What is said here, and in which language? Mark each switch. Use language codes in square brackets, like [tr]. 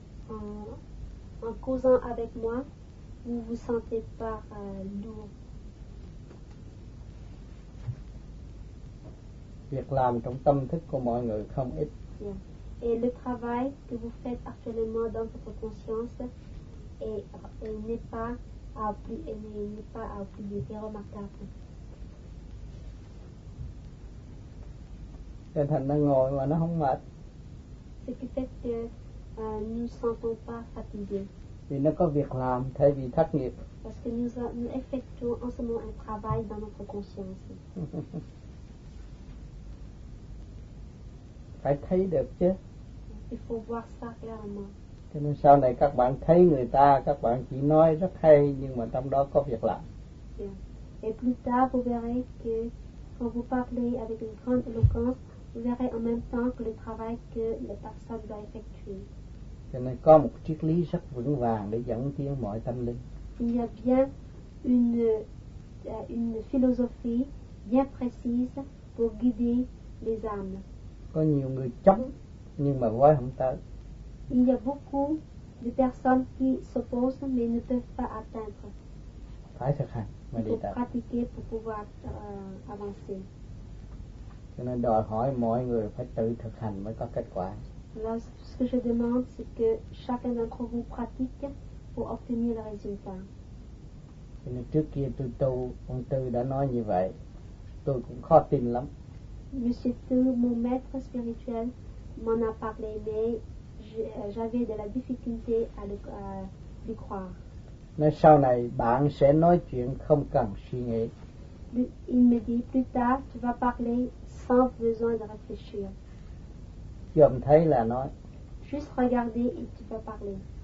[fr] En causant avec moi, vous vous sentez pas lourd. [vi] Việc làm trong tâm thức của mọi người không ít. [fr] Et le travail que vous faites actuellement dans votre conscience n'est pas remarquable. [vi] Cho thành nó ngồi mà nó không mệt. [fr] Ce qui fait que nous ne sentons pas fatigués. [vi] Vì nó có việc làm thay vì thất nghiệp. [fr] Parce que nous effectuons en ce moment un travail dans notre conscience. [vi] Phải thấy được chứ. [fr] Il faut voir ça clairement. [vi] Cho nên sau này các bạn thấy người ta, các bạn chỉ nói rất hay nhưng mà trong đó có việc làm. [fr] Et plus tard, vous verrez que quand vous parlez avec une grande éloquence, vous verrez en même temps que le travail que la personne doit effectuer. [vi] Cho nên có một triết lý rất vững vàng để dẫn tiến mọi tâm linh. [fr] Il y a bien une philosophie bien précise pour guider les âmes. [vi] Có nhiều người chống nhưng mà gói không tới. [fr] Il y a beaucoup de personnes qui s'opposent mais ne peuvent pas atteindre. [vi] Phải thực hành mà đi tới. [fr] Pour pratiquer pour pouvoir avancer. [vi] Cho nên đòi hỏi mọi người phải tự thực hành mới có kết quả. [fr] Alors, ce que je demande, c'est que chacun d'entre vous pratique pour obtenir le résultat. [vi] Trước kia tôi tu, ông Tư đã nói như vậy, tôi cũng khó tin lắm. [fr] Monsieur Tư, mon maître spirituel, m'en a parlé, mais j'avais de la difficulté à le croire. [vi] Nói sau này, bạn sẽ nói chuyện không cần suy nghĩ. [fr] Il me dit, plus tard, tu vas parler sans besoin de réfléchir. [vi] Dòm thấy là nói. [fr] Juste regarder et tu vas parler.